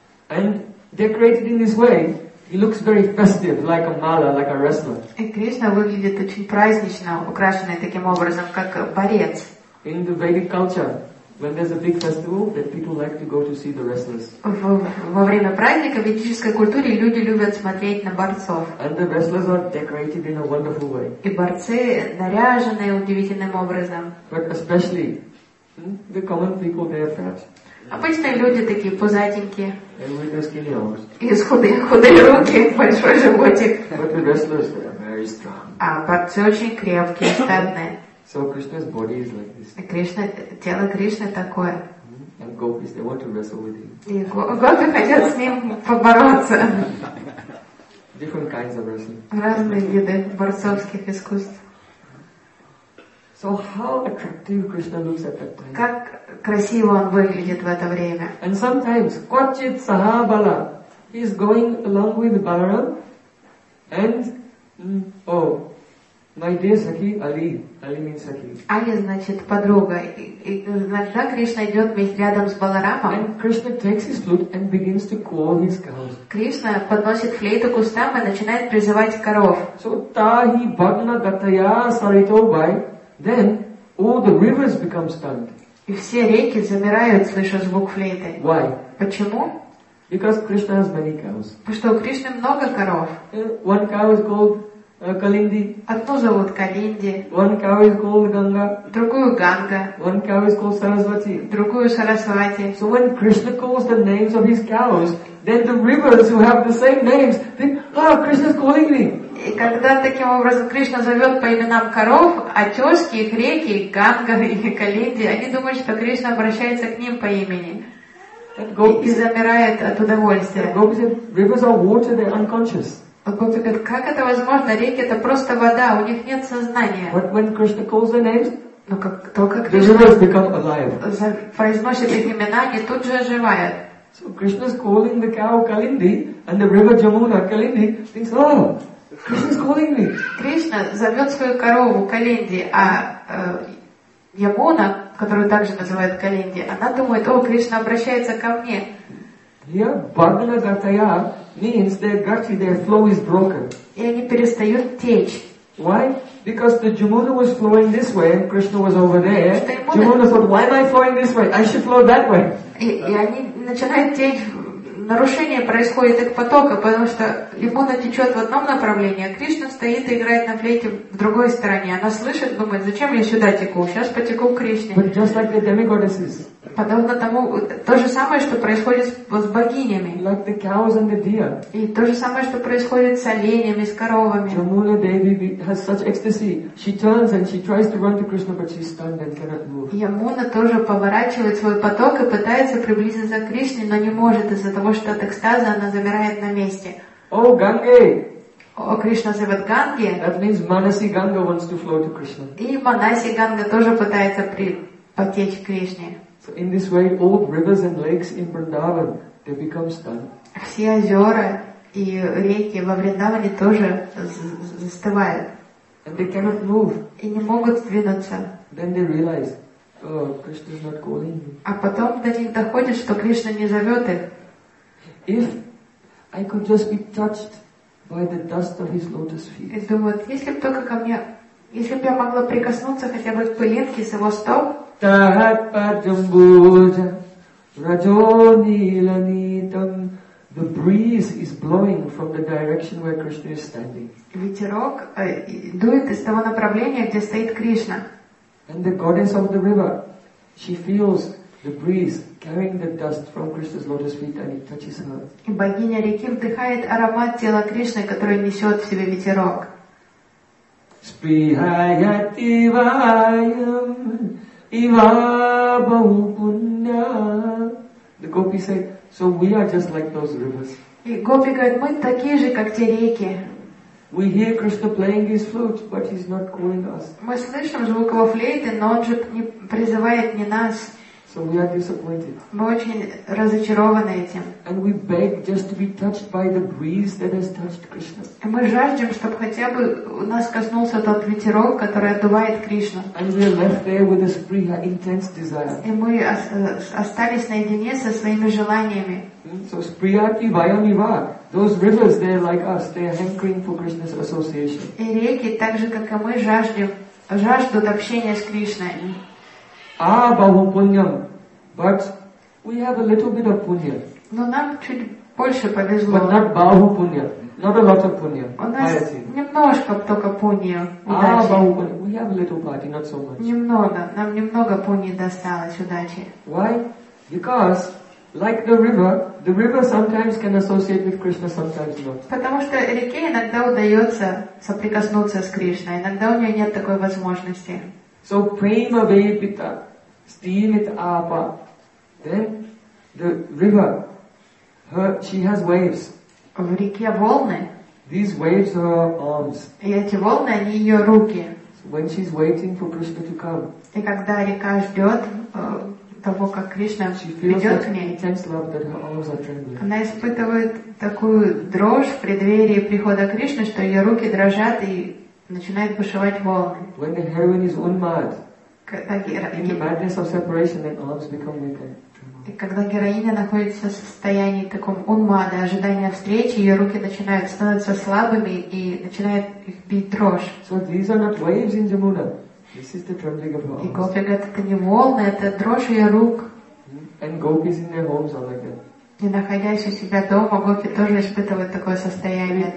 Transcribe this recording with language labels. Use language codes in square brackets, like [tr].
[en] And decorated in this way, he looks very festive, like a mala, like a wrestler. [ru] И Кришна выглядит очень празднично, украшенный таким образом, как борец. [en] In the Vedic culture, when there's a big festival, that people like to go to see the wrestlers. [ru] Во время праздника в ведической культуре люди любят смотреть на борцов. [en] And the wrestlers are decorated in a wonderful way. [ru] И борцы наряжены удивительным образом. [en] But especially the common people, they are fat. [ru] Обычные люди такие пузатенькие. [en] And with their skinny arms. [ru] И с худые руки, большой животик. [en] But the wrestlers, they are very strong. [ru] А борцы очень крепкие, статные. [en] So Krishna's body is like this. [ru] Кришна, тело Кришны такое. [en] And gopis, they want to wrestle with him. [ru] И гопи хотят с ним побороться. [en] Different kinds of wrestling. [ru] Разные виды борцовских искусств. [en] So how attractive Krishna looks at that time. [ru] Как красиво он выглядит в это время. [en] And sometimes, [sa] Kwachit Sahabala, [en] he's going along with Balaram, and, my dear Sakhi, Ali. Ali means Sakhi. [ru] Ali, значит, подруга. И иногда Кришна идет вместе рядом с Баларамом. [en] And Krishna takes his flute and begins to call his cows. [ru] Кришна подносит флейту к устам и начинает призывать коров. [sa] So, Tahi Bhagna Gataya Sarito Bhai. [en] Then, all the rivers become stunned. [ru] И все реки замирают, слыша звук флейты. [en] Why? [ru] Почему? [en] Because Krishna has many cows. [ru] Потому что у Кришны много коров. [en] One cow is called Kalindi. [ru] Одну зовут Калинди. [en] One cow is called Ganga. [ru] Другую Ганга. [en] One cow is called Sarasvati. [ru] Другую Сарасвати. [en] So when Krishna calls the names of his cows, then the rivers who have the same names think, ah, Krishna's calling me. [ru] И когда таким образом Кришна зовет по именам коров, отёски, их реки, Ганга и Калинди, они думают, что Кришна обращается к ним по имени. И замирает от удовольствия. [en] Gopis, rivers are water, they're unconscious. [ru] Как это возможно? Реки это просто вода, у них нет сознания. [en] But when Krishna calls their names, [ru] но как только Кришна [en] become alive. [ru] Произносит их имена, они тут же оживают. [en] So Krishna's calling the cow Kalindi and the river Jamuna Kalindi thinks, oh, Krishna's calling me. [ru] Кришна зовет свою корову Калинди, а Ямуна, которую также называют Калинди, она думает, о, Кришна обращается ко мне. [en] Yeah, [sa] Bhagana Gataya [en] means their gati, their flow is broken. [ru] И они перестают течь. [en] Why? Because the Jamuna was flowing this way and Krishna was over there. Jamuna thought, why am I flowing this way? I should flow that way. [ru] И они начинают течь. Нарушение происходит их потока, потому что Ямуна течет в одном направлении, а Кришна стоит и играет на флейте в другой стороне. Она слышит, думает, зачем я сюда теку? Сейчас потеку к Кришне. [en] But just like the demigoddesses. [ru] Подобно тому, то же самое, что происходит с богинями. [en] Like the cows and the deer. [ru] И то же самое, что происходит с оленями, с коровами. [en] Jamuna Devi has such ecstasy. She turns and she tries to run to Krishna, but she's stunned and cannot move. [ru] Ямуна тоже поворачивает свой поток и пытается приблизиться к Кришне, но не может из-за того, что от экстаза она замирает на месте. О, Ганге! О, Кришна зовет Ганге. [en] That means Manasi Ganga wants to flow to Krishna. [ru] И Манаси Ганга тоже пытается потечь к Кришне. [en] So in this way, all rivers and lakes in Vrindavan, they become stunned. [ru] Все озера и реки во Вриндаване тоже застывают. [en] And they cannot move. [ru] И не могут двинуться. [en] Then they realize, oh, Krishna is not calling me. [ru] А потом до них доходит, что Кришна не зовет их. [en] If I could just be touched by the dust of his lotus feet. [ru] И думают, если бы только ко мне, если бы я могла прикоснуться хотя бы к пылинке с его стоп. [sa] Tahatpadjambuja Rajonilanitam. [en] The breeze is blowing from the direction where Krishna is standing. [ru] Ветерок дует из того направления, где стоит Кришна. [en] And the goddess of the river, she feels the breeze carrying the dust from Krishna's lotus feet and it touches her. [ru] И богиня реки вдыхает аромат тела Кришны, который несет в себе ветерок. [sa] Sprihayati vayam. Iva bahu punya. [en] The gopi say, so we are just like those rivers. [ru] И гопи говорят, мы такие же, как те реки. [en] We hear Krishna playing his flute, but he's not calling us. [ru] Мы слышим звук его флейты, но он же не призывает не нас. [en] So we are disappointed. [ru] Мы очень разочарованы этим. [en] And we beg just to be touched by the breeze that has touched Krishna. [ru] И мы жаждем, чтобы хотя бы у нас коснулся тот ветерок, который отдувает Кришну. [en] And we are left there with a spriha, intense desire. [ru] И мы остались наедине со своими желаниями. [en] So [sa] spriha ki vayamiva. [en] Those rivers, they're like us. They are hankering for Krishna's association. [ru] И реки, так же как и мы, жаждут общения с Кришной. [en] Ah, [sa] bahu punyam, [en] but we have a little bit of punya. [ru] Но нам чуть больше повезло. [en] But not [sa] bahu punya, [en] not a lot of punya. [ru] У нас немножко только пунья. [en] Ah, [sa] bahu punya, [en] we have a little party, not so much. [ru] Немного, нам немного пуньи досталось удачи. [en] Why? Because like the river sometimes can associate with Krishna, sometimes not. [ru] Потому что реке иногда удается соприкоснуться с Кришной, иногда у нее нет такой возможности. [en] So [sa] prema vepita steemit apa, [en] then the river, her, she has waves. [ru] В реке волны. [en] These waves are her arms. [ru] И эти волны, они ее руки. [en] So when she's waiting for Krishna to come. [ru] И когда река ждет того, как Кришна придет к ней. [en] Intense love that her arms are trembling. [ru] Она испытывает такую дрожь в преддверии прихода Кришны, что ее руки дрожат и начинает бушевать волны. [en] When the heroine is unmad, in the madness of separation, then arms become weak. [ru] И когда героиня находится в состоянии таком унмада, ожидания встречи, ее руки начинают становиться слабыми и начинает их бить дрожь. [en] So these are not waves in Jamuna. This is the trembling of her arms. [ru] И гопи говорят, это не волны, это дрожь ее рук. [en] And gopis in their homes are like that. [ru] И находясь у себя дома, гопи тоже испытывают такое состояние,